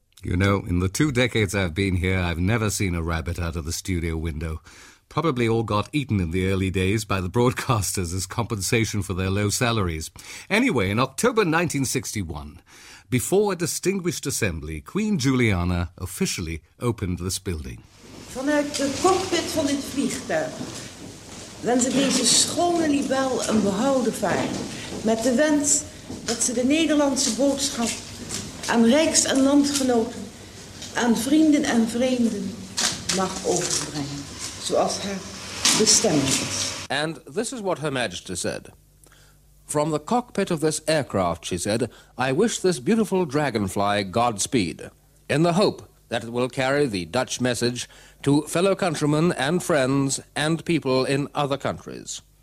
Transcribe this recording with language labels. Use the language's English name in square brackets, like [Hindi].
[English] You know, in the 2 decades I've been here, I've never seen a rabbit out of the studio window. Probably all got eaten in the early days by the broadcasters as compensation for their low salaries. Anyway, in October 1961... before a distinguished assembly, Queen Juliana officially opened this building. [Dutch] Vanuit de cockpit van dit vliegtuig wensen deze schone libel een behouden vaart. Met de wens dat ze de Nederlandse boodschap aan rijks- en landgenoten, aan vrienden en vreemden mag overbrengen. Zoals haar bestemming is. [English] And this is what Her Majesty said. From the cockpit of this aircraft, she said, I wish this beautiful dragonfly Godspeed, in the hope that it will carry the Dutch message to fellow countrymen and friends and people in other countries.